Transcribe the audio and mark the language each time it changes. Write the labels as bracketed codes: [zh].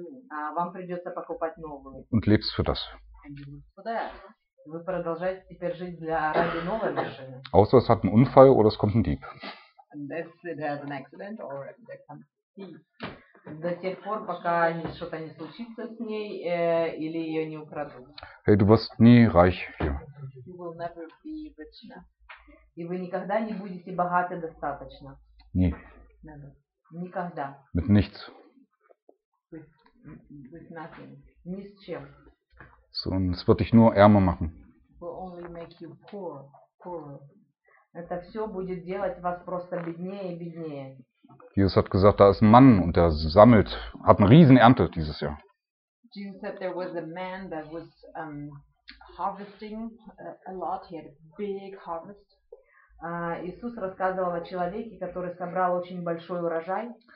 [ru] А вам придется покупать новую. [de] Und lebst für das. [ru] Вы продолжаете теперь жить для ради новой машины. [de] Außer es hat einen Unfall oder es kommt ein Dieb. [en] Unless it has an accident or there comes a thief. [ru] До тех пор, пока что-то не случится с ней или ее не украдут. [de] Hey, du wirst nie reich hier. [en] You will never be rich enough. [ru] И вы никогда не будете богаты достаточно. [de] Nee. [ru] Никогда. [de] Mit nichts. [en] With nothing. [ru] Ни с чем. [de] So, und es wird dich nur ärmer machen. [en] Will only make you poor, poorer. [ru] Это все будет делать вас просто беднее и беднее. [de] Jesus hat gesagt, da ist ein Mann und der sammelt, hat eine riesen Ernte dieses Jahr. [en] Jesus said there was a man that was harvesting a lot. He had a big harvest. [ru] Иисус рассказывал о человеке, который собрал очень большой урожай.